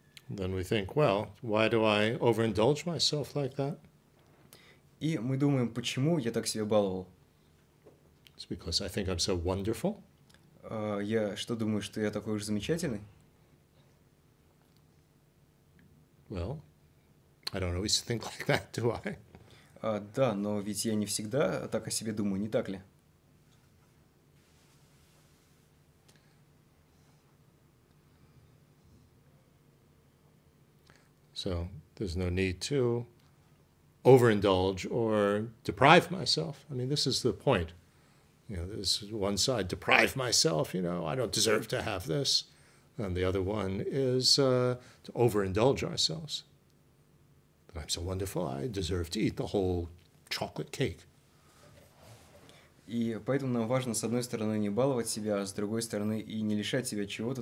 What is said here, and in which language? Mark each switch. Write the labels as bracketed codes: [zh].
[en] Then we think, well, why do I overindulge myself like that? [ru] И мы думаем, почему я так себя баловал? [en] It's because I think I'm so wonderful. [ru] Я что, думаю, что я такой уж замечательный? [en] Well, I don't always think like that, do I? [ru] Да, но ведь я не всегда так о себе думаю, не так ли? [en] So, there's no need to overindulge or deprive myself. I mean, this is the point. You know, this one side, deprive myself, you know, I don't deserve to have this. And the other one is to overindulge ourselves. But I'm so wonderful, I deserve to eat the whole chocolate cake. [ru] И поэтому нам важно, с одной стороны, не баловать себя, а с другой стороны, и не лишать себя чего-то.